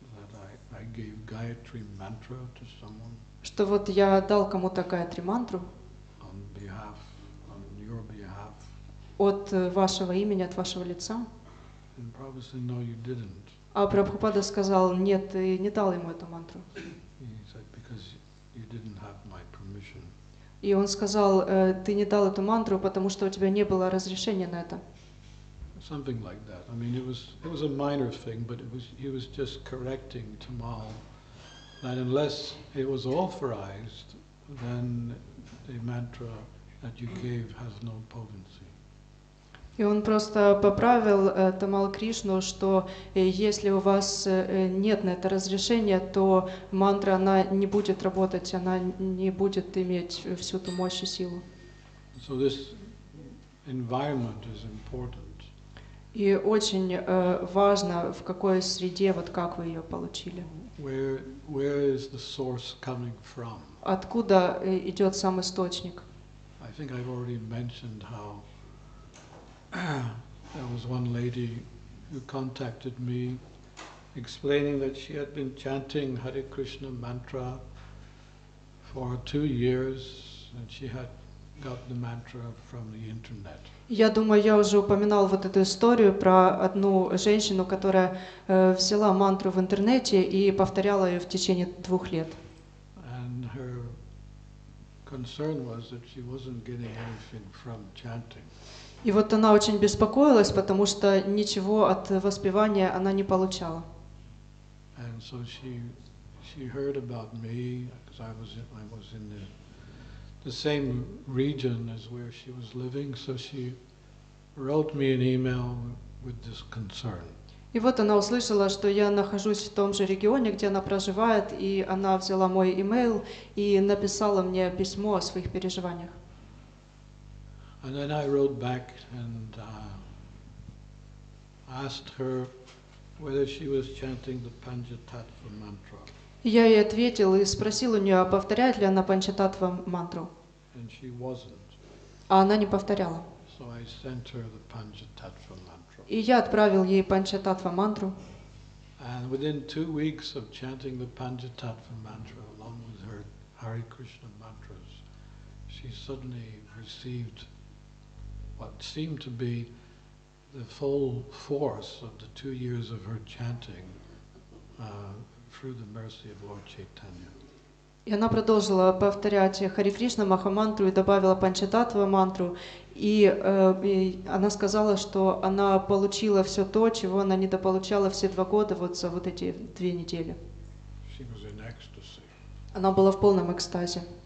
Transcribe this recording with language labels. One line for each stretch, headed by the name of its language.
English: That I gave Gayatri mantra to someone.
Russian: Что вот я дал кому-то Гаятри мантру.
English: On behalf, on your behalf.
Russian: От вашего имени, от вашего лица.
English: And Prabhupada said, no, you didn't.
Russian: А Прабхупада сказал, нет, ты не дал ему эту мантру.
English: He said, because you didn't have my permission.
Russian: И он сказал, ты не дал эту мантру, потому что у тебя не было разрешения на это.
English: Something like that. I mean, it was a minor thing, but he was just correcting Tamal that unless it was authorized, then the mantra that you gave has no potency.
Russian: И он просто поправил Тамал Кришну, что если у вас нет на это разрешения, то мантра она не будет работать, она не будет иметь всю ту мощь и силу.
English: So this environment is important.
Russian: И очень важно, в какой среде, вот как вы ее получили.
English: Where is the source coming from?
Russian: Откуда идет сам источник?
English: I think I've already mentioned how there was one lady who contacted me explaining that she had been chanting Hare Krishna mantra for 2 years and she had got the mantra from the internet.
Russian: Я думаю, я уже упоминал вот эту историю про одну женщину, которая взяла мантру в интернете и повторяла ее в течение 2 лет.
English: And her concern was that she wasn't getting anything from chanting.
Russian: И вот она очень беспокоилась, потому что ничего от воспевания она не получала.
English: And so she heard about me, because I was in the same region as where she was living, so she wrote me an email with this concern.
Russian: И вот она услышала, что я нахожусь в том же регионе, где она проживает, и она взяла мой email и написала мне письмо о своих переживаниях.
English: And then I wrote back and asked her whether she was chanting the Panchatattva mantra.
Russian: Я ей ответил и спросил у нее, повторяет ли она Панчататва мантру.
English: And she wasn't.
Russian: А она не повторяла.
English: So I sent her the Panchatattva mantra.
Russian: И я отправил ей Панчататва мантру.
English: And within 2 weeks of chanting the Panchatattva mantra along with her Hare Krishna mantras, she suddenly received what seemed to be the full force of the 2 years of her chanting through the mercy of Lord Chaitanya.
Russian: И она продолжила повторять Хари Кришна Махамантру и добавила Панчататва мантру. И она сказала, что она получила все то, чего она недополучала все 2 года вот за вот эти 2 недели.
English: She was in ecstasy.
Russian: Она была в полном экстазе.